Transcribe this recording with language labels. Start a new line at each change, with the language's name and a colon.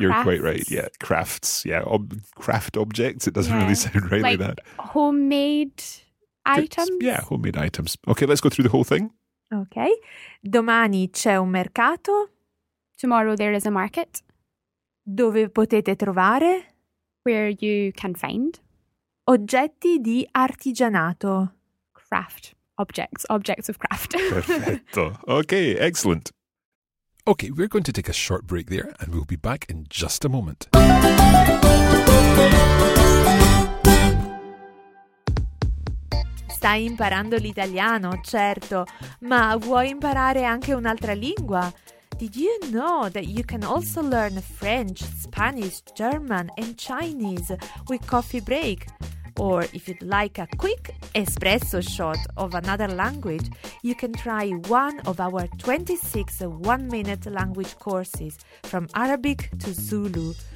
English: You're quite right. Yeah, crafts. Yeah, craft objects. It doesn't really sound right like that. Homemade items. Yeah, homemade items. Okay, let's go through the whole thing.
Italian: Okay. Domani c'è un mercato.
English: Tomorrow there is a market.
Italian: Dove potete trovare.
English: Where you can find.
Italian: Oggetti di artigianato.
English: Craft. Objects. Objects of craft. Perfetto. Okay, excellent. Okay, we're going to take a short break there and we'll be back in just a moment.
Italian: Stai imparando l'italiano, certo, ma vuoi imparare anche un'altra lingua?
English: Did you know that you can also learn French, Spanish, German and Chinese with Coffee Break? Or if you'd like a quick espresso shot of another language, you can try one of our 26 one-minute language courses from Arabic to Zulu.